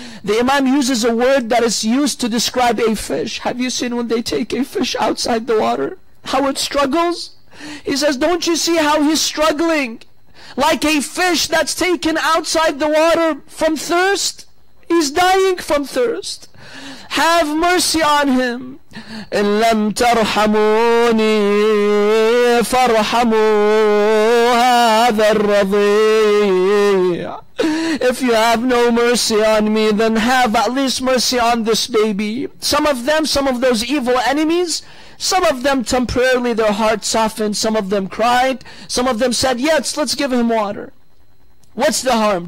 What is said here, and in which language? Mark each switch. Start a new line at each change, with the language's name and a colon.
English: The Imam uses a word that is used to describe a fish. Have you seen when they take a fish outside the water, how it struggles? He says, "Don't you see how he's struggling? Like a fish that's taken outside the water from thirst? He's dying from thirst. Have mercy on him."
Arabic: "إن لم ترحموني فارحموا هذا الرضيع."
English: If you have no mercy on me, then have at least mercy on this baby. Some of them, some of those evil enemies, some of them temporarily their hearts softened, some of them cried, some of them said, "Yes, let's give him water. What's the harm?